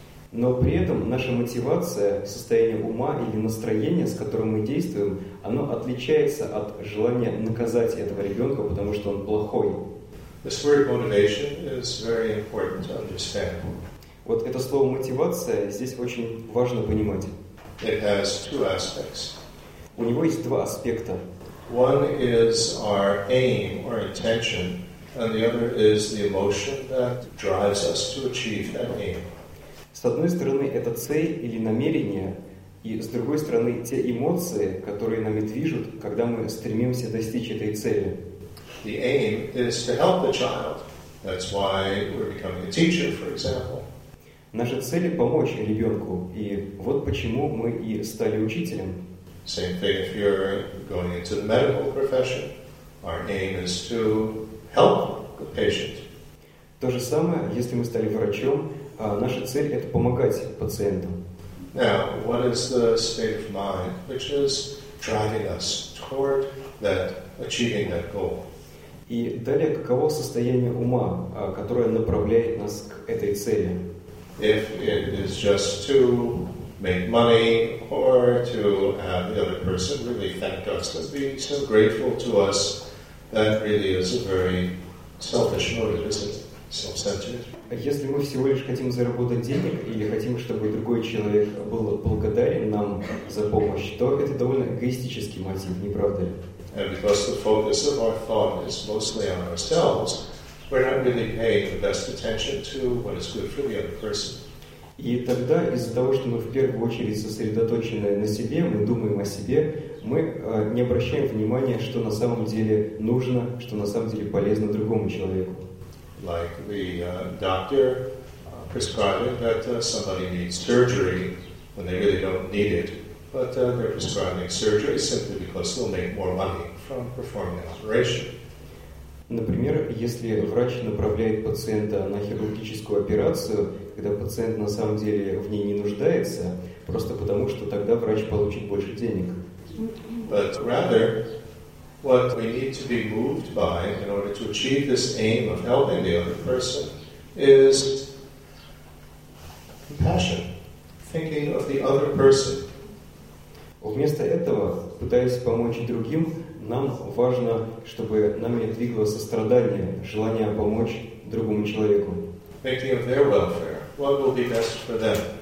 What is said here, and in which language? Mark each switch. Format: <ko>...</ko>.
<ru>Но при этом наша мотивация, состояние ума или настроение, с которым мы действуем, оно отличается от желания наказать этого ребенка, потому что он плохой.</ru> <en>This word motivation is very important to understand.</en> <ru>Вот это слово «мотивация» здесь очень важно понимать.</ru> <en>It has two aspects.</en> <ru>У него есть два аспекта.</ru> <en>One is our aim or intention, and the other is the emotion that drives us to achieve that aim.</en> <ru>С одной стороны, это цель или намерение, и с другой стороны, те эмоции, которые нами движут, когда мы стремимся достичь этой цели.</ru> <en>The aim is to help the child. That's why we're becoming a teacher, for example.</en> <ru>Наша цель – помочь ребенку, и вот почему мы и стали учителем.</ru> <en>Same thing if you're going into the medical profession. Our aim is to help the patient.</en> <ru>То же самое, если мы стали врачом, а наша цель – это помогать пациенту.</ru> <en>Now, what is the state of mind which is driving us toward that, achieving that goal?</en> <ru>И далее, каково состояние ума, которое направляет нас к этой цели?</ru> <en>If it is just to make money or to have the other person really thank us for being so grateful to us, that really is a very selfish motive, isn't it? Self-centered.</en> <ru>Если мы всего лишь хотим заработать денег или хотим, чтобы другой человек был благодарен нам за помощь, то это довольно эгоистический мотив, не правда ли?</ru> <en>And because the focus of our thought is mostly on ourselves, we're not really paying the best attention to what is good for the other person.</en> <ru>И тогда, из-за того, что мы в первую очередь сосредоточены на себе, мы думаем о себе, мы не обращаем внимания, что на самом деле нужно, что на самом деле полезно другому человеку.</ru> <en>like the doctor prescribed it, that somebody needs surgery when they really don't need it, but they're prescribing surgery simply because they'll make more money from performing the operation.</en> <ru>Например, если врач направляет пациента на хирургическую операцию, когда пациент на самом деле в ней не нуждается, просто потому что тогда врач получит больше денег.</ru> <en>But rather, what we need to be moved by in order to achieve this aim of helping the other person is compassion, thinking of the other person.</en> <ru>Вместо этого, пытаясь помочь другим, нам важно, чтобы нами двигало сострадание, желание помочь другому человеку.</ru> <en>Thinking of their welfare, what will be best for them?</en>